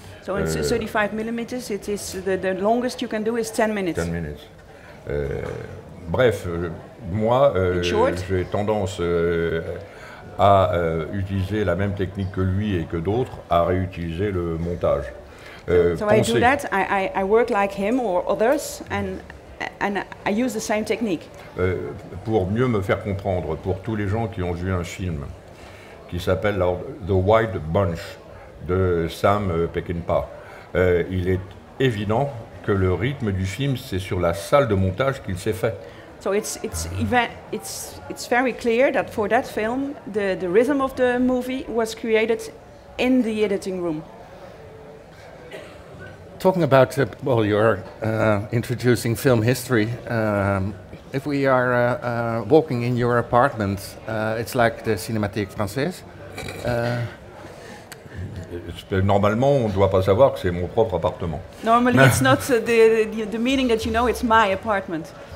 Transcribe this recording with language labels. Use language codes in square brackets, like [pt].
[en] So it's 35 millimeters, it is the longest you can do is 10 minutes. 10 minutes. [fr] Bref, moi, j'ai tendance à utiliser la même technique que lui et que d'autres, à réutiliser le montage. [en] So I do that, I work like him or others, and I use the same technique. [fr] Pour mieux me faire comprendre, pour tous les gens qui ont vu un film, qui s'appelle The Wild Bunch de Sam Peckinpah. Il est évident que le rythme du film, c'est sur la salle de montage qu'il s'est fait. [en] So it's very clear that for that film, the rhythm of the movie was created in the editing room. Talking about, you're introducing film history. If we are walking in your apartment, it's like the Cinémathèque Française. [fr] Normalement, on ne doit pas savoir que c'est mon propre appartement. [en] Normally, it's not the meaning that you know, it's my apartment.